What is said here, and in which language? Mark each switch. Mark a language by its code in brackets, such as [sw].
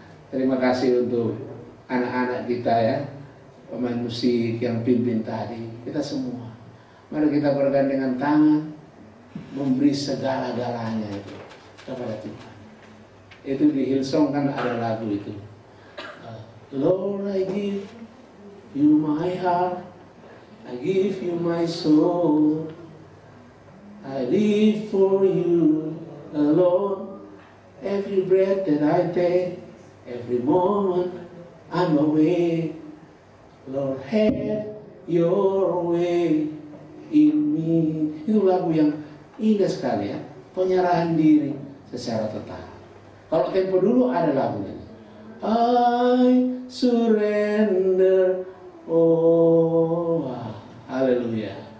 [id] Terima kasih untuk anak-anak kita ya, pemain musik yang pimpin tadi, kita semua. Mari kita bergandengan tangan, memberi segala-galanya itu kepada Tuhan. Itu di Hillsong kan ada lagu itu. [en] Lord, I give you my heart, I give you my soul, I live for you alone. Every breath that I take, every moment I'm away. Lord, have your way in me. [id] Itu lagu yang indah sekali ya. Penyerahan diri secara total. Kalau tempo dulu ada lagunya. [en] I surrender all. Haleluya.